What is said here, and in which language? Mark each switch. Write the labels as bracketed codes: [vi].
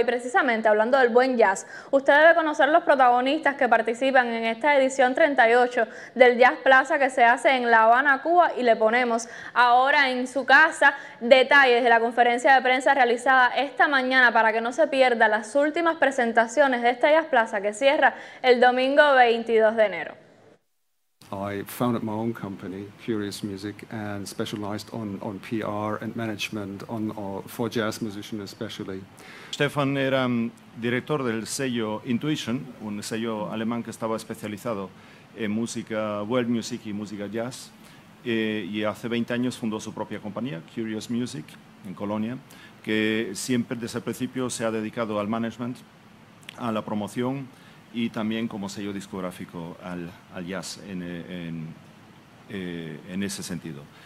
[es] Y precisamente hablando del buen jazz, usted debe conocer los protagonistas que participan en esta edición 38 del Jazz Plaza que se hace en La Habana, Cuba, y le ponemos ahora en su casa detalles de la conferencia de prensa realizada esta mañana para que no se pierda las últimas presentaciones de esta Jazz Plaza que cierra el domingo 22 de enero. [en] I founded my own company, Curious Music, and specialized on PR and management for jazz musicians especially. [es] Stefan era director del sello Intuition, un sello alemán que estaba especializado en música world music y música jazz. Y hace 20 años fundó su propia compañía, Curious Music, en Colonia, que siempre desde el principio se ha dedicado al management, a la promoción y también como sello discográfico al jazz en ese sentido.